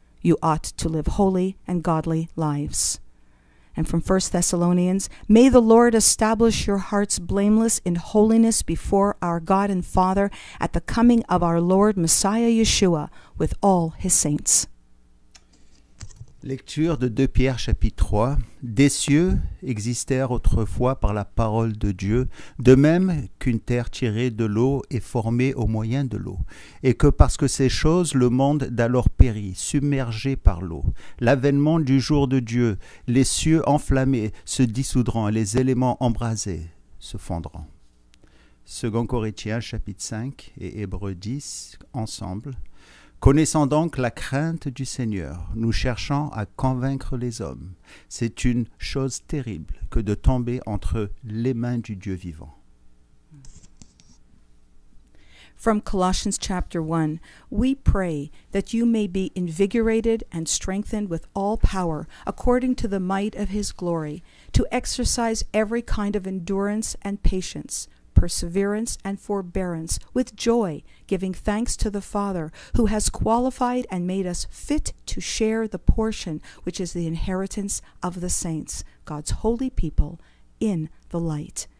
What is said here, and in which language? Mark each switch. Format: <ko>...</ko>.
<en>You ought to live holy and godly lives. And from 1 Thessalonians, may the Lord establish your hearts blameless in holiness before our God and Father at the coming of our Lord Messiah Yeshua with all his saints.</en> <fr>Lecture de 2 Pierre chapitre 3. Des cieux existèrent autrefois par la parole de Dieu, de même qu'une terre tirée de l'eau est formée au moyen de l'eau, et que parce que ces choses, le monde d'alors périt, submergé par l'eau. L'avènement du jour de Dieu, les cieux enflammés se dissoudront, les éléments embrasés se fondront. 2 Corinthiens chapitre 5 et Hébreux 10 ensemble. Connaissant donc la crainte du Seigneur, nous cherchons à convaincre les hommes. C'est une chose terrible que de tomber entre les mains du Dieu vivant.</fr> <en>From Colossians chapter 1, we pray that you may be invigorated and strengthened with all power, according to the might of his glory, to exercise every kind of endurance and patience, perseverance and forbearance, with joy, giving thanks to the Father, who has qualified and made us fit to share the portion which is the inheritance of the saints, God's holy people, in the light.</en>